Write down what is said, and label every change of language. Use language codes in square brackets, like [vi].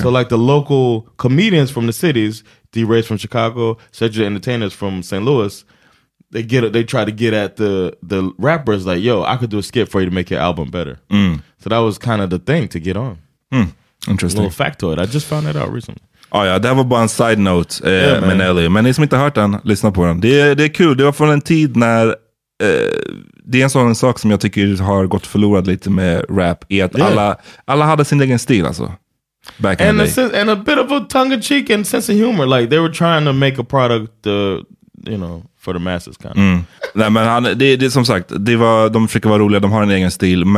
[en] So like the local comedians from the cities, D-Ray's from Chicago, Cedric the Entertainer's from St. Louis, they try to get at the rappers like, yo, I could do a skit for you to make your album better. Mm. So that was kind of the thing to get on. Mm. Interesting. A little factoid. I just found that out recently. [sv] Oh, ja, det var bara en side note, Minnelli. Men ni som inte har hört den, lyssna på den. Det är kul. Det var från en tid när det är en sån sak som jag tycker har gått förlorad lite med rap. Är att alla hade sin egen stil, alltså. [en] Back and in the day. And a bit of a tongue-in-cheek and sense of humor. Like, they were trying to make a product, you know, for the masses, kind of. Mm. [sv] Nej, men det är som sagt, de försöker vara roliga, de har en egen stil.